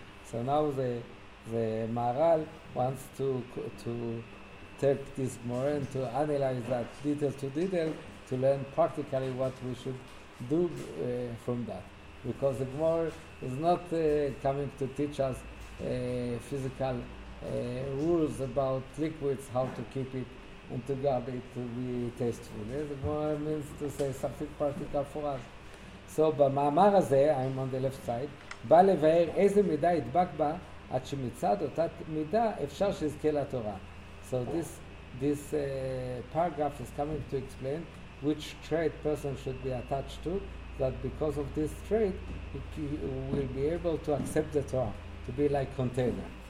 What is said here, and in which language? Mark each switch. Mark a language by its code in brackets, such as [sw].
[en] So now the Maharal wants to take this Gemara and to analyze that detail to detail to learn practically what we should do from that, because the Gemara is not coming to teach us physical rules about liquids, how to keep it and to guard it to be tasteful. Yes, it means to say something practical for us. [he] So, במאמר הזה, [en] I'm on the left side, [he] בא לבאר איזה מידה ידבק בה עד שמצד אותה מידה אפשר שיזכה לתורה. [en] So this paragraph is coming to explain which trait person should be attached to, that because of this trait he will be able to accept the Torah, to be like container.